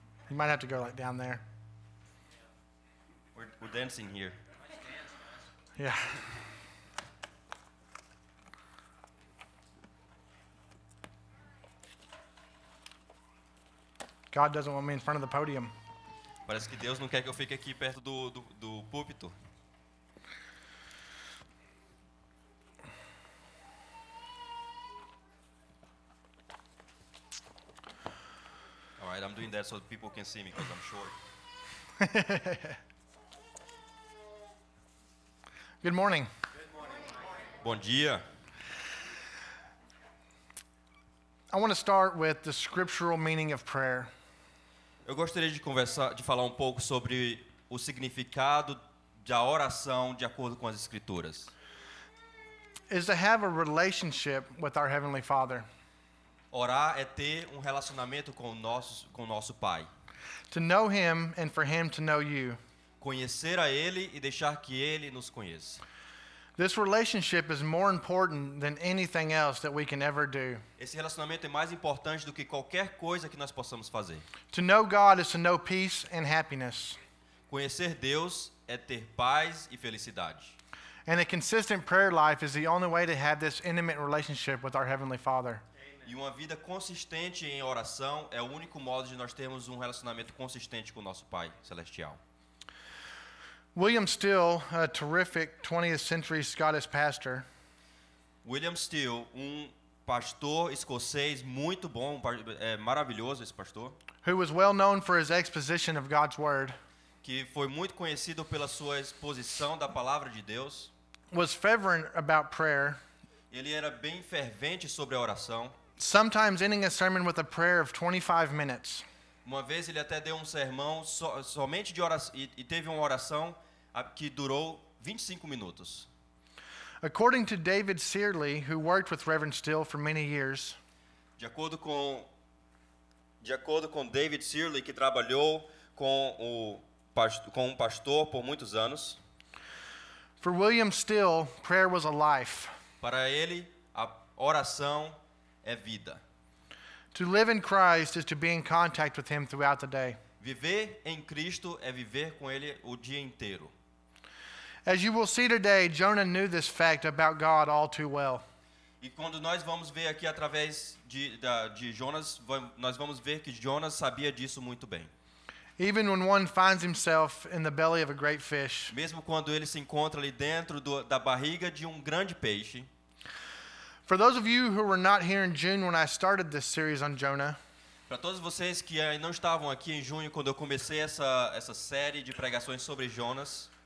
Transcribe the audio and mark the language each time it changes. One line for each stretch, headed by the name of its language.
English: You might have to go like down there. We're dancing here. Yeah. God doesn't want me in front of the podium.
Portuguese: Parece que Deus não quer que eu fique aqui perto do púlpito.
English: All right, I'm doing that so people can see me because I'm short. Good morning.
Portuguese: Bom dia.
English: I want to start with the scriptural meaning of prayer.
Portuguese: Eu gostaria de conversar, de falar um pouco sobre o significado da oração de acordo com as escrituras.
English: Is to have a relationship with our Heavenly Father.
Portuguese: Orar é ter um relacionamento com o nosso Pai.
English: To know Him and for Him to know you.
Portuguese: Conhecer a Ele e deixar que Ele nos conheça.
English: This relationship is more important than anything else that we can ever do.
Portuguese: Esse relacionamento é mais importante do que qualquer coisa que nós possamos fazer.
English: To know God is to know peace and happiness.
Portuguese: Conhecer Deus é ter paz e felicidade.
English: And a consistent prayer life is the only way to have this intimate relationship with our Heavenly Father.
Portuguese: E uma vida consistente em oração é o único modo de nós termos um relacionamento consistente com o nosso Pai Celestial.
English: William Steele, a terrific 20th century Scottish pastor.
Portuguese: William Steele, pastor escocês muito bom, maravilhoso esse pastor.
English: Who was well known for his exposition of God's word.
Portuguese: Que foi muito conhecido pela sua exposição da palavra de Deus.
English: Was fervent about prayer.
Portuguese: Ele era bem fervente sobre a oração.
English: Sometimes ending a sermon with a prayer of 25 minutes.
Portuguese: Uma vez ele até deu um sermão somente de oração e teve uma oração que durou 25 minutos.
English: According to David Searley, who worked with Reverend Still for many years,
Portuguese: de acordo com David Searley, que trabalhou com um pastor por muitos anos,
English: for William Still, prayer was a life.
Portuguese: Para ele, a oração é vida.
English: To live in Christ is to be in contact with Him throughout the day.
Portuguese: Viver em Cristo é viver com Ele o dia inteiro.
English: As you will see today, Jonah knew this fact about God all too well.
Portuguese: E quando nós vamos ver aqui através de Jonas, nós vamos ver que Jonas sabia disso muito bem.
English: Even when one finds himself in the belly of a great fish.
Portuguese: Mesmo quando ele se encontra ali dentro da barriga de um grande peixe.
English: For those of you who were not here in June when I started this series on Jonah.
Portuguese: Para todos vocês que não estavam aqui em junho quando eu comecei essa série de pregações sobre Jonas.